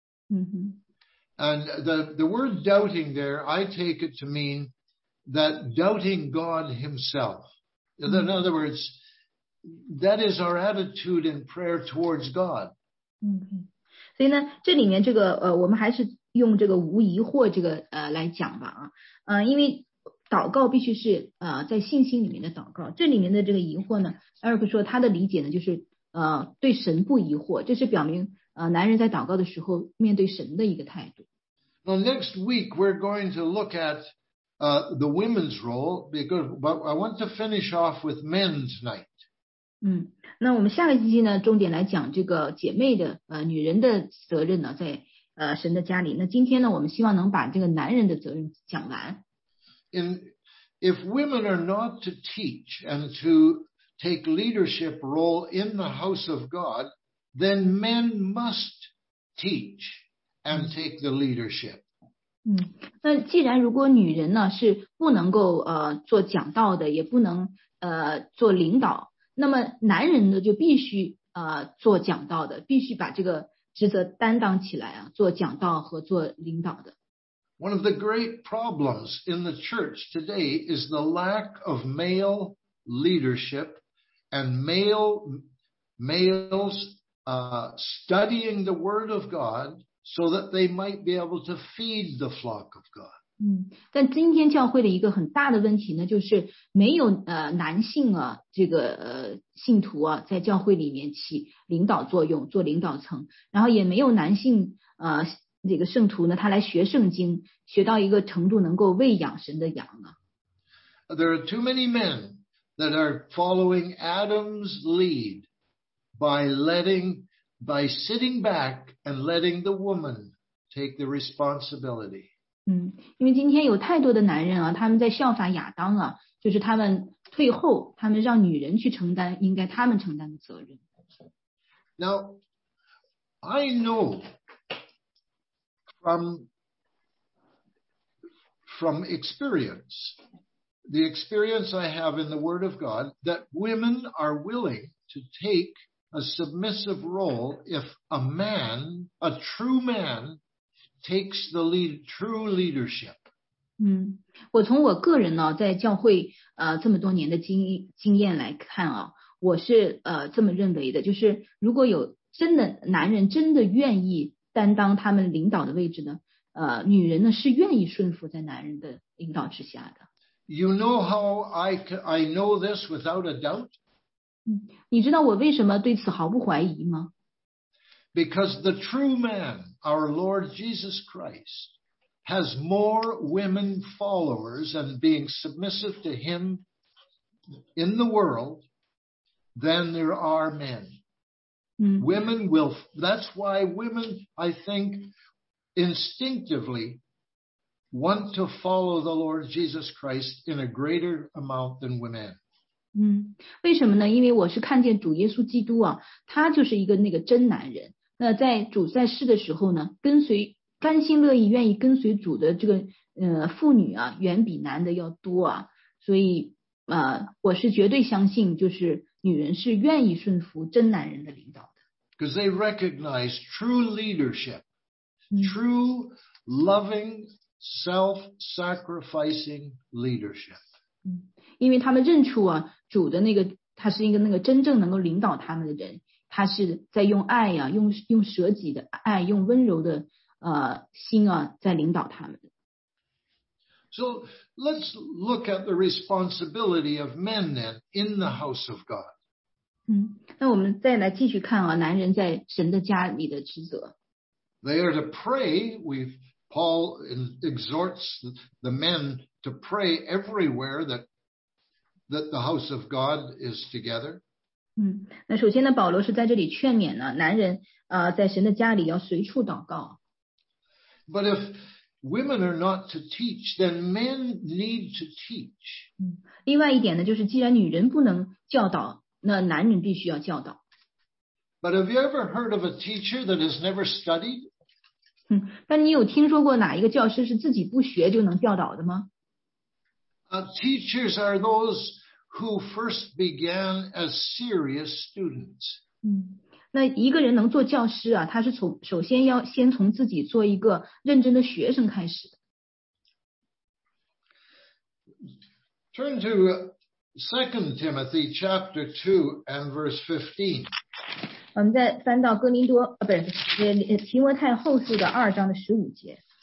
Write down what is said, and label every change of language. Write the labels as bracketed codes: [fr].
[en] And the word doubting there, I take it to mean that doubting God Himself. In other words, that is our attitude in prayer towards God. [zh] 所以呢，这里面这个我们还是用这个无疑惑这个来讲吧啊，因为祷告必须是在信心里面的祷告。这里面的这个疑惑呢，Eric说他的理解呢就是对神不疑惑，这是表明男人在祷告的时候面对神的一个态度。 [en] Now next week we're going to look at the women's role, but I want to finish off with men tonight. [zh] 那我们下个星期呢，重点来讲这个姐妹的女人的责任呢，在神的家里。那今天呢，我们希望能把这个男人的责任讲完。 [en] If women are not to teach and to take leadership role in the house of God, then men must teach and take the leadership. [zh] 那既然如果女人呢是不能够做讲道的，也不能做领导，那么男人呢就必须做讲道的，必须把这个职责担当起来啊，做讲道和做领导的。 [en] One of the great problems in the church today is the lack of male leadership and males studying the word of God. So that they might be able to feed the flock of God. [zh] 但今天教会的一个很大的问题呢，就是没有男性啊，这个信徒啊，在教会里面起领导作用，做领导层，然后也没有男性这个圣徒呢，他来学圣经，学到一个程度能够喂养神的羊啊。 [en] There are too many men that are following Adam's lead by sitting back and letting the woman take the responsibility. [zh] 因为今天有太多的男人啊，他们在效法亚当啊，就是他们退后，他们让女人去承担应该他们承担的责任。 [en] Now, I know from experience, the experience I have in the Word of God, that women are willing to take a submissive role if a man, a true man, takes the lead, true leadership. [zh] 我从我个人呢，在教会这么多年的经验来看啊，我是这么认为的，就是如果有真的男人真的愿意担当他们领导的位置呢，女人呢是愿意顺服在男人的领导之下的。 [en] You know how I know this without a doubt? [zh] 你知道我为什么对此毫不怀疑吗？ [en] Because the true man, our Lord Jesus Christ, has more women followers and being submissive to him in the world than there are men. Women will, that's why women, I think, instinctively want to follow the Lord Jesus Christ in a greater amount than women. [zh] 为什么呢？因为我是看见主耶稣基督啊，他就是一个那个真男人。那在主在世的时候呢，跟随甘心乐意愿意跟随主的这个妇女啊，远比男的要多啊。所以我是绝对相信，就是女人是愿意顺服真男人的领导的。 [en] Because they recognize true leadership, true loving, self-sacrificing leadership. [zh] 因为他们认出啊，主的那个他是一个那个真正能够领导他们的人，他是在用爱呀、啊，用舍己的爱，用温柔的心啊，在领导他们。 [en] So let's look at the responsibility of men then in the house of God. [zh] 那我们再来继续看啊，男人在神的家里的职责。 [en] They are to pray. Paul exhorts the men to pray everywhere that the house of God is together. [zh] 那首先呢，保罗是在这里劝勉呢，男人在神的家里要随处祷告。 [en] But if women are not to teach, then men need to teach. [zh] 另外一点呢，就是既然女人不能教导，那男人必须要教导。 [en] But have you ever heard of a teacher that has never studied? [zh] 但你有听说过哪一个教师是自己不学就能教导的吗？ [en] Teachers are those who first began as serious students. [zh] 那一个人能做教师啊，他是从首先要先从自己做一个认真的学生开始。 [en] Turn to 2 Timothy chapter 2 and verse 15. [zh] 我们再翻到哥林多，不是，提摩太后书的二章的十五节。